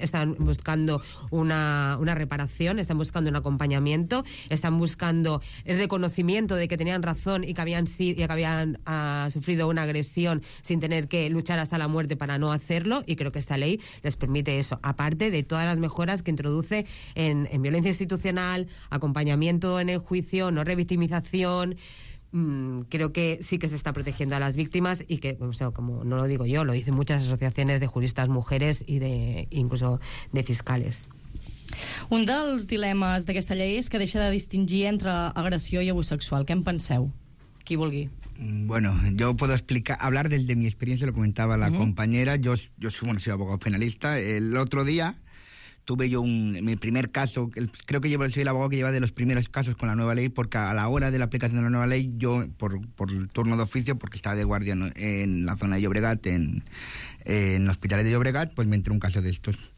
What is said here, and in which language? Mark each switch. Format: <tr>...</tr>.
<es>Están buscando una reparación, están buscando un acompañamiento, están buscando el reconocimiento de que tenían razón y que habían sufrido una agresión sin tener que luchar hasta la muerte para no hacerlo, y creo que esta ley les permite eso, aparte de todas las mejoras que introduce en violencia institucional, acompañamiento en el juicio, no revictimización. Creo que sí que se está protegiendo a las víctimas y que, o sea, como no lo digo yo, lo dicen muchas asociaciones de juristas mujeres y de incluso de fiscales.</es> <ca>Un dels dilemes d'aquesta llei és que deixa de distingir entre agressió i abús sexual. Què en penseu? Qui vulgui.</ca> <es>Bueno, yo puedo hablar desde mi experiencia, lo comentaba la compañera. Yo soy abogado penalista. El otro día tuve yo mi primer caso, creo que soy el abogado que lleva de los primeros casos con la nueva ley, porque a la hora de la aplicación de la nueva ley, yo, por turno de oficio, porque estaba de guardia en la zona de Llobregat, en hospitales de Llobregat, pues me entró un caso de estos.</es>